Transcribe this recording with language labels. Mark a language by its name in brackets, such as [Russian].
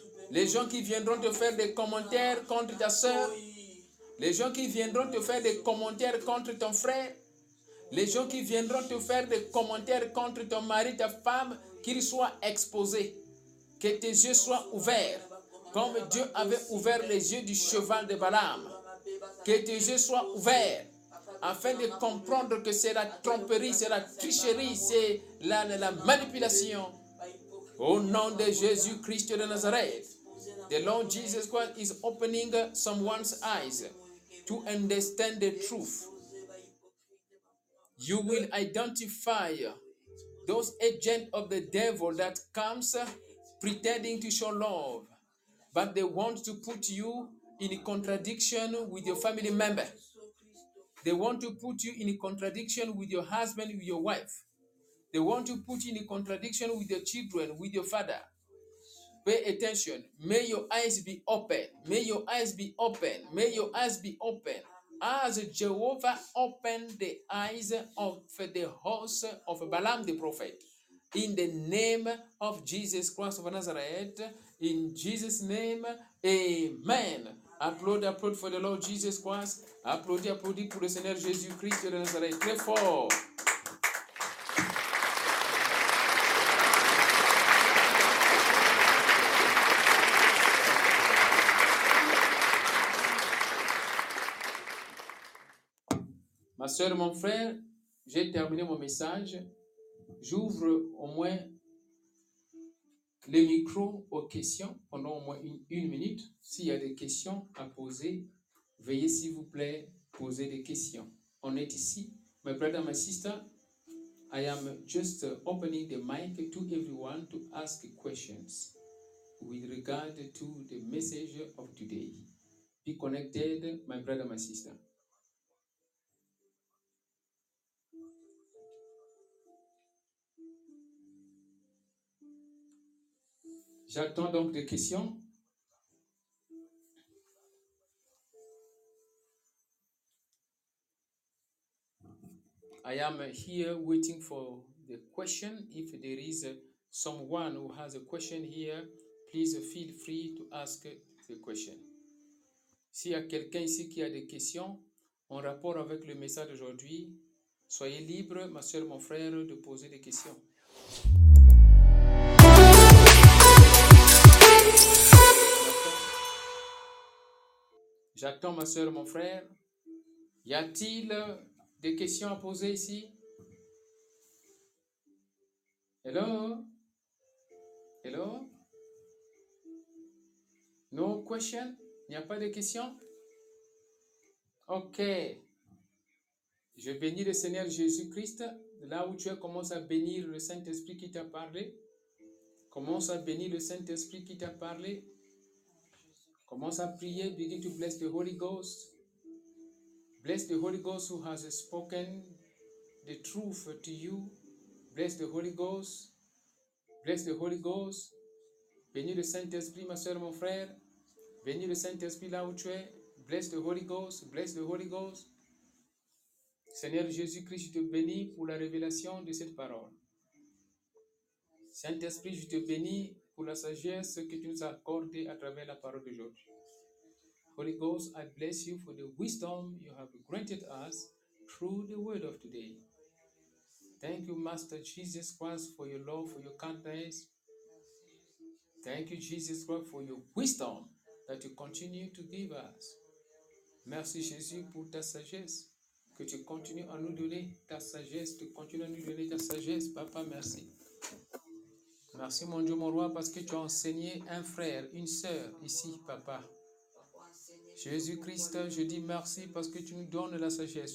[French] Les gens qui viendront te faire des commentaires contre ta soeur, les gens qui viendront te faire des commentaires contre ton frère, les gens qui viendront te faire des commentaires contre ton mari, ta femme, qu'ils soient exposés, que tes yeux soient ouverts, comme Dieu avait ouvert les yeux du cheval de Balaam. Que tes yeux soient ouverts afin de comprendre que c'est la tromperie, c'est la tricherie, c'est la manipulation. Au nom de Jésus-Christ de Nazareth, [English] the Lord Jesus Christ is opening someone's eyes to understand the truth. You will identify those agents of the devil that comes pretending to show love, but they want to put you in contradiction with your family member. They want to put you in contradiction with your husband, with your wife. They want to put you in contradiction with your children, with your father. Pay attention. May your eyes be open. May your eyes be open. May your eyes be open. As Jehovah opened the eyes of the horse of Balaam the prophet, in the name of Jesus Christ of Nazareth, in Jesus' name, amen. Applaud for the Lord Jesus Christ. [French] Applaud pour le Seigneur Jésus-Christ de Nazareth. Très fort. Ma soeur, mon frère, j'ai terminé mon message. J'ouvre au moins le micro aux questions pendant au moins une minute. S'il y a des questions à poser, veuillez s'il vous plaît poser des questions. On est ici. [English] My brother, my sister, I am just opening the mic to everyone to ask questions with regard to the message of today. Be connected, my brother, my sister. [French] J'attends donc des questions. [English] I am here waiting for the question. If there is someone who has a question here, please feel free to ask the question. [French] S'il y a quelqu'un ici qui a des questions en rapport avec le message d'aujourd'hui, soyez libre, ma soeur, mon frère, de poser des questions. J'attends ma soeur, mon frère. Y a-t-il des questions à poser ici? [English] Hello? Hello? No question? [French] Il n'y a pas de questions? Ok. Je bénis le Seigneur Jésus-Christ. Là où tu es, commence à bénir le Saint-Esprit qui t'a parlé. Commence à bénir le Saint-Esprit qui t'a parlé. Commence à prier. [English] Begin to bless the Holy Ghost. Bless the Holy Ghost who has spoken the truth to you. Bless the Holy Ghost. Bless the Holy Ghost. [French] Bénis le Saint-Esprit, ma soeur, mon frère. Bénis le Saint-Esprit là où tu es. [English] Bless the Holy Ghost. [French] Bless the Holy Ghost. Seigneur Jésus-Christ, je te bénis pour la révélation de cette parole. Saint-Esprit, je te bénis pour la sagesse que tu nous as accordée à travers la parole d'aujourd'hui. [English] Holy Ghost, I bless you for the wisdom you have granted us through the word of today. Thank you, Master Jesus Christ, for your love, for your kindness. Thank you, Jesus Christ, for your wisdom that you continue to give us. [French] Merci, Jésus, pour ta sagesse, que tu continues à nous donner ta sagesse, tu continues à nous donner ta sagesse. Papa, merci. Merci, mon Dieu, mon roi, parce que tu as enseigné un frère, une sœur ici, papa. Jésus-Christ, je dis merci parce que tu nous donnes la sagesse.